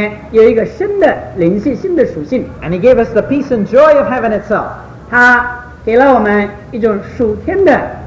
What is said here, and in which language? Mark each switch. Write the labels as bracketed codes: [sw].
[zh] 他给我们这个新的生命里面有一个新的灵性，新的属性。 [en] And he gave us the peace and joy of heaven itself. [zh] 他给了我们一种属天的